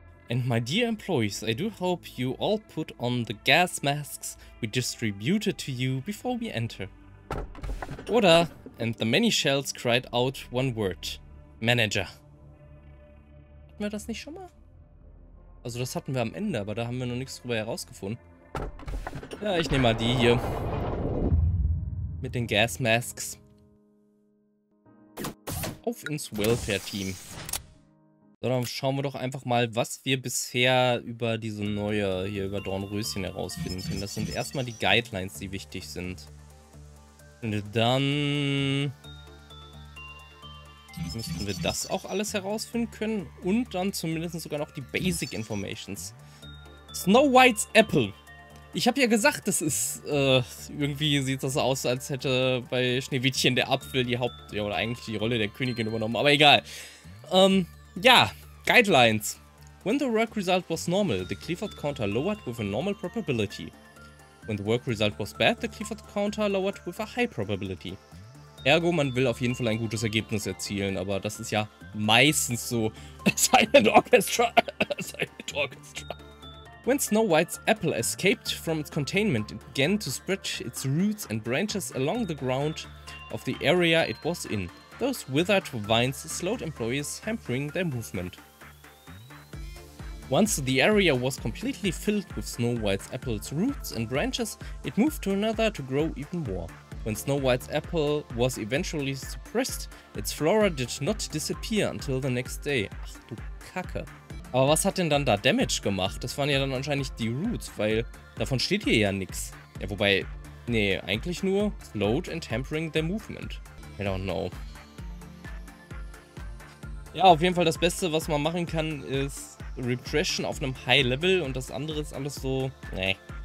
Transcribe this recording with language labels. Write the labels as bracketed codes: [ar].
[en] And my dear employees, I do hope you all put on the gas masks we distributed to you before we enter. Order, and the many shells cried out one word. [de] Manager. Hatten wir das nicht schon mal? Also das hatten wir am Ende, aber da haben wir noch nichts drüber herausgefunden. Ja, ich nehme mal die hier. Mit den Gas Masks. Auf ins Welfare-Team. So, dann schauen wir doch einfach mal, was wir bisher über diese neue hier, über Dornröschen herausfinden können. Das sind erstmal die Guidelines, die wichtig sind. Und dann müssten wir das auch alles herausfinden können. Und dann zumindest sogar noch die Basic Informations. Snow White's Apple. Ich habe ja gesagt, das ist irgendwie sieht das aus, als hätte bei Schneewittchen der Apfel die Haupt- ja, oder eigentlich die Rolle der Königin übernommen, aber egal. Ja, Guidelines. [en] When the work result was normal, the Clifford Counter lowered with a normal probability. When the work result was bad, the Clifford Counter lowered with a high probability. [de] Ergo, man will auf jeden Fall ein gutes Ergebnis erzielen, aber das ist ja meistens so. [en] Silent Orchestra. Silent Orchestra. When Snow White's apple escaped from its containment, it began to spread its roots and branches along the ground of the area it was in. Those withered vines slowed employees, hampering their movement. Once the area was completely filled with Snow White's apple's roots and branches, it moved to another to grow even more. When Snow White's apple was eventually suppressed, its flora did not disappear until the next day. [de] Ach du Kacke. Aber was hat denn dann da Damage gemacht? Das waren ja dann anscheinend die Roots, weil davon steht hier ja nichts. Ja, wobei, nee, eigentlich nur [en] slowed and hampering their movement. I don't know. [de] Ja, auf jeden Fall das Beste, was man machen kann, ist Repression auf einem High Level und das andere ist alles so, nee.